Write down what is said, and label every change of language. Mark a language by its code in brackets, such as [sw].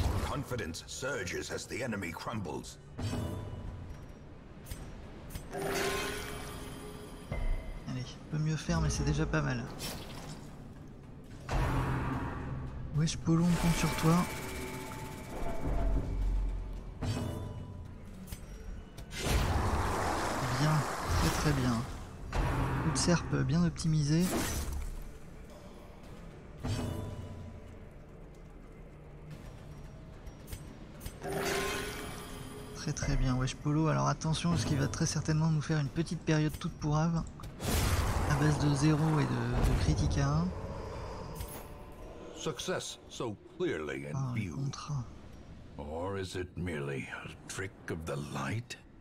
[en] Confidence surges as the enemy crumbles. [fr] Allez, on peut mieux faire mais c'est déjà pas mal. Wesh Polo, on compte sur toi. Bien, très très bien. Coup de serp bien optimisé. Très très bien, Wesh Polo. Alors attention parce qu'il va très certainement nous faire une petite période toute pourrave. À base de 0 et de critique à 1. [en] Success so clearly in view. Or is it merely a trick of the light?